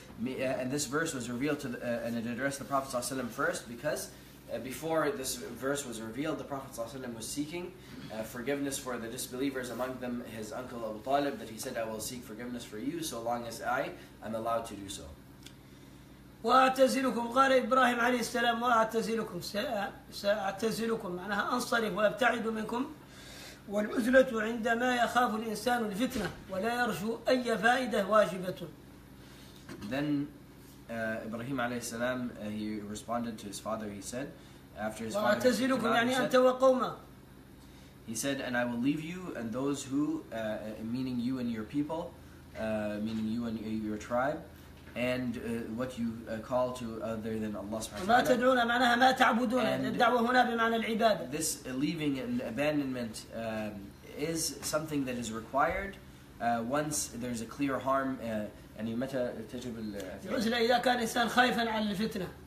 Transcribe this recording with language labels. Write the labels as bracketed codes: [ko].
[en] And this verse was revealed to the, and it addressed the Prophet ﷺ first, because before this verse was revealed, the Prophet ﷺ was seeking forgiveness for the disbelievers, among them his uncle Abu Talib, that he said, I will seek forgiveness for you so long as I am allowed to do so. [ar] وأعتزلكم قال إبراهيم عليه السلام وأعتزلكم سأعتزلكم معناها أنصرف وأبتعد منكم والعزلة عندما يخاف الإنسان الفتنة ولا يرجو أي فائدة واجبة. [en] Then Ibrahim عليه السلام he responded to his father. He said, after his father. [ar] وأعتزلكم يعني أنت وقومه. [en] He said, and I will leave you and those who, meaning you and your people, meaning you and your tribe, and what you call to other than Allah subhanahu wa ta'ala. [ar] معناها ما تعبدون الدعوة هنا بمعنى العبادة. [en] This leaving and abandonment is something that is required once there's a clear harm. [ar] يعني متى تجب العزلة إذا كان إنسان خايفا على الفتنة.